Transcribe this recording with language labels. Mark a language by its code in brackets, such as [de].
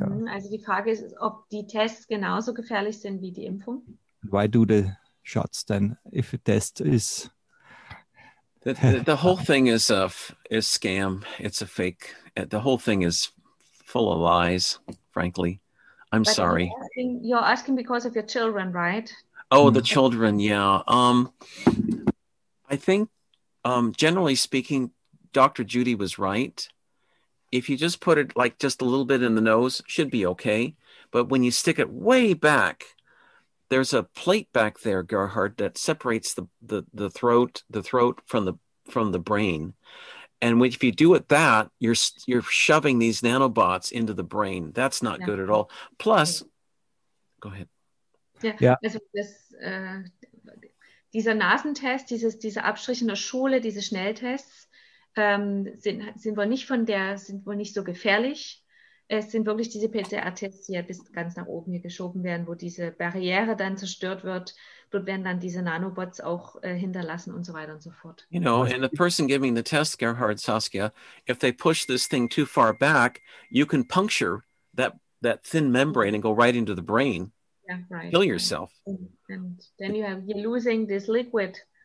[de] Also die Frage ist, ob die Tests genauso gefährlich sind wie die Impfung. [en] Why do the shots then, if a test is... The whole thing is a scam. It's a fake. The whole thing is full of lies, frankly. I'm but sorry. You're asking because of your children, right? Oh, the children, yeah. I think, generally speaking, Dr. Judy was right. If you just put it like just a little bit in the nose, should be okay. But when you stick it way back, there's a plate back there, Gerhard, that separates the throat from the brain. And if you do it that, you're shoving these nanobots into the brain. That's not good at all. Plus, go ahead. Yeah. [de] Also das, dieser Nasentest, dieser Abstrich in der Schule, diese Schnelltests, sind wohl nicht so gefährlich. Es sind wirklich diese PCR-Tests, die ja bis ganz nach oben hier geschoben werden, wo diese Barriere dann zerstört wird. Dort werden dann diese Nanobots auch hinterlassen und so weiter und so fort. [en] You know, and the person giving the test, Gerhard, Saskia, if they push this thing too far back, you can puncture that thin membrane and go right into the brain. Yeah, right. Kill yourself. And then you're losing this liquid.